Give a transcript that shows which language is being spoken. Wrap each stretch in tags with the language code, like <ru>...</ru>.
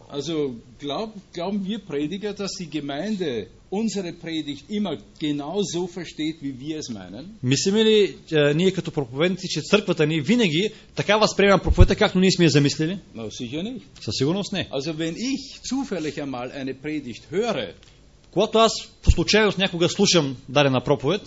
<de>Also, glauben wir Prediger, dass die Gemeinde unsere Predigt immer genau so versteht, wie wir es meinen?</de> <bg>Мислиме ли ние като проповедници, че църквата ни винаги така възприема проповедта, както ние сме я замислили?</bg> <de>No, sicher nicht.</de> <bg>Със сигурност не.</bg> <de>Also, wenn ich zufällig einmal eine Predigt höre,</de> <bg>когато аз по случайност някога слушам дадена проповед,</bg>